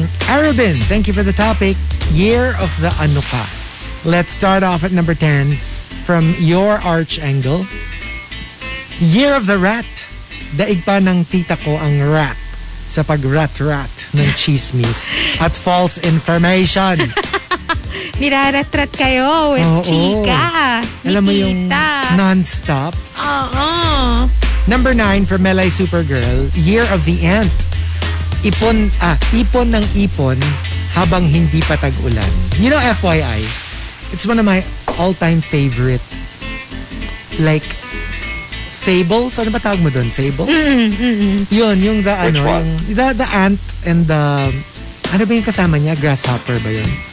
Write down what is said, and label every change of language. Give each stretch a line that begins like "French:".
English: Arabin, thank you for the topic. Year of the Anuka. Let's start off at number 10. From your arch angle, year of the rat.
Filipino: Daig pa ng tita ko ang rat sa pag-rat-rat ng chismis at false information. Nirarat-rat kayo with oh, chika. Oh. Ni alam mo tita. Yung non-stop? Oo.
English: Number 9 from Melay Supergirl, year of the ant.
Filipino: Ipon ng ipon habang hindi patag-ulan.
English: You know, FYI, it's one of my all-time favorite like fables.
Filipino: Ano ba tawag mo doon? Fables? Mm-hmm. Yun, yung the ano, yung,
English: the ant and the
Filipino: ano ba yung kasama niya? Grasshopper ba yun?